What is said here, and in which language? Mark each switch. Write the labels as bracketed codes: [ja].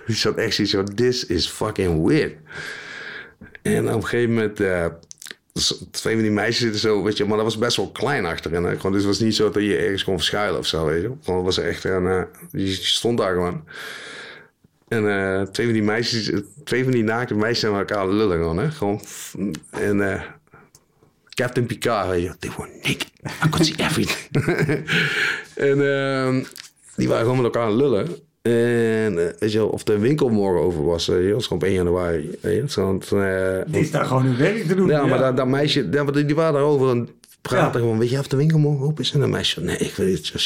[nl] Die zat echt zoiets van, [en] this is fucking weird. [nl] En op een gegeven moment, 2 van die meisjes zitten zo, weet je. Maar dat was best wel klein achterin. Hè? Gewoon, dus het was niet zo dat je ergens kon verschuilen of zo, weet je. Gewoon, was echt, je stond daar gewoon. En 2 van die naakte meisjes zijn met elkaar aan de lullen gewoon, hè? Gewoon. En Captain Picard, weet je, [en] they were naked. I could see everything. [nl] En die waren gewoon met elkaar aan de lullen. En weet je wel, of de winkel morgen over was, dat was gewoon op 1 januari. Is daar gewoon hun werk te doen? Ja, maar dat meisje, die waren daarover aan het praten. Ja. Gewoon, weet je, of de winkel morgen open is? En dat meisje, nee, ik weet het.